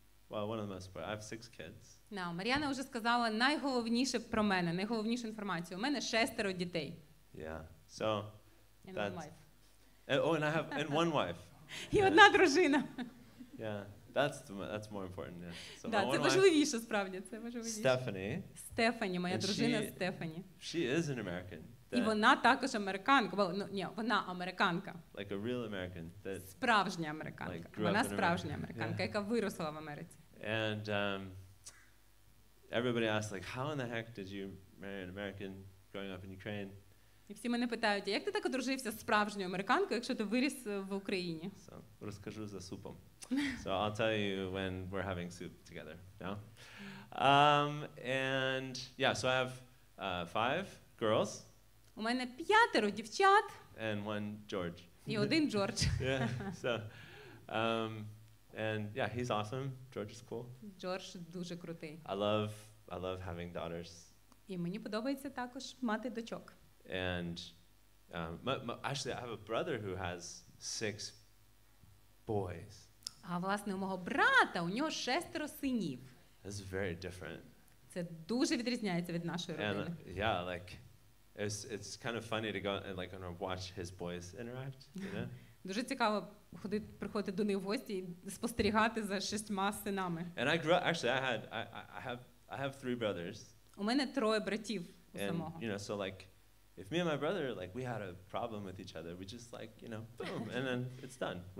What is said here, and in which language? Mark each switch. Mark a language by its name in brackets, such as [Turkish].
[English] Well, one of the most important, I have 6 kids. [Ukrainian] Now, Mariana вже сказала найголовніше про мене, найголовнішу інформацію. У мене 6 дітей. [English] Yeah, so... And one wife. And, oh, and I have and one wife. [Ukrainian] І одна дружина. [English] Yeah, that's more important. Yeah. So [Ukrainian] да, це важливіше, справді, це важливіше. [English] Stephanie, [Ukrainian] моя дружина Stephanie. [English] She is an American. [Ukrainian] І вона також американка. [English] Well, no, [Ukrainian] ні, вона американка. [English] Like a real American. [Ukrainian] Справжня американка. [English] Like [Ukrainian] вона справжня американка, яка виросла в Америці. [English] And everybody asks, like, how in the heck did you marry an American growing up in Ukraine? [Ukrainian] І всі мене питають, як ти так одружився з справжньою американкою, якщо ти виріс в Україні? [English] So, [Ukrainian] розкажу за супом. [English] So I'll tell you when we're having soup together. Yeah? And yeah, so I have 5 girls. [Ukrainian] У мене 5 дівчат. [English] And 1 George. [Ukrainian] І 1 Джордж. [English] Yeah, so, and yeah, he's awesome. George is cool. [Ukrainian] Джордж дуже крутий. [English] I love having daughters. [Ukrainian] І мені подобається також мати дочок. [English] And actually, I have a brother who has 6 boys. [Ukrainian] А власне у мого брата, у нього 6 синів. [English] That's very different. [Ukrainian] Це дуже відрізняється від нашої родини. [English] Yeah, like it's kind of funny to go and like and watch his boys interact, you know? [Ukrainian] Дуже цікаво ходити, приходити до них в гості і спостерігати за 6 синами. [English] And I grew up, actually I have 3 brothers. [Ukrainian] У мене 3 братів у самого. [English] And, you know, so like if me and my brother, like, we had a problem with each other, we just, like, you know, boom, and then it's done.